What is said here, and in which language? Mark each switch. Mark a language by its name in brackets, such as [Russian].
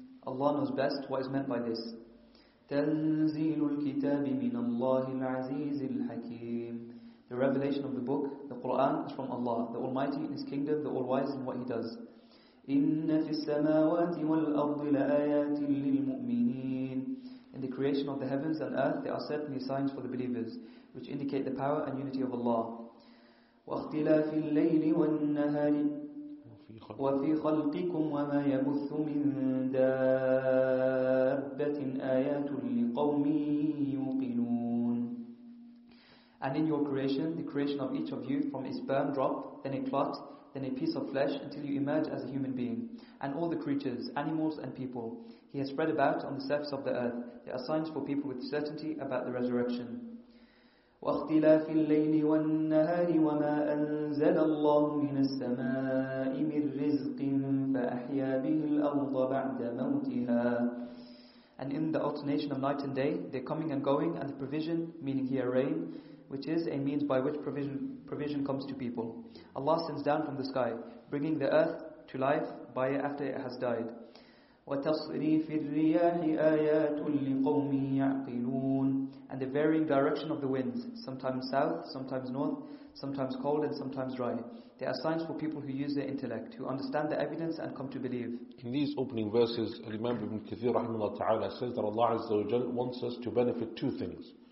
[English] Allah knows best what is meant by this. [Arabic] تنزيل الكتاب من الله العزيز الحكيم. [English] The revelation of the book, the Quran, is from Allah, the Almighty in His kingdom, the All-Wise in what He does. [Arabic] إِنَّ فِي السَّمَاوَاتِ وَالْأَرْضِ لَآيَاتٍ لِلْمُؤْمِنِينَ. [English] In the creation of the heavens and earth, there are certainly signs for the believers, which indicate the power and unity of Allah. [Arabic] وَاخْتِلَافِ اللَّيْلِ وَالنَّهَارِ وَفِي خَلْقِكُمْ وَمَا يَبُثُّ مِنْ دَابَّةٍ آيَاتٌ لِقَوْمٍ يُوقِنُونَ. [English] And in your creation, the creation of each of you, from a sperm drop, then a clot, then a piece of flesh, until you emerge as a human being, and all the creatures, animals and people, He has spread about on the surface of the earth. There are signs for people with certainty about the resurrection. [Arabic] واختلاف الليل والنهار وما أنزل الله من السماء من رزق فأحيا به الأرض بعد موتها. [English] And in the alternation of night and day, the coming and going, and the provision, meaning here rain, which is a means by which provision comes to people. Allah sends down from the sky, bringing the earth to life by it after it has died. [Arabic] وتصريف الرياح آيات لقوم يعقلون. [English] And the varying direction of the winds, sometimes south, sometimes north, sometimes cold and sometimes dry. They are signs for people who use their intellect, who understand the evidence and come to believe. In these opening verses, Imam Ibn Kathir rahimahullah ta'ala says that Allah Azza wa Jal wants us to benefit two things.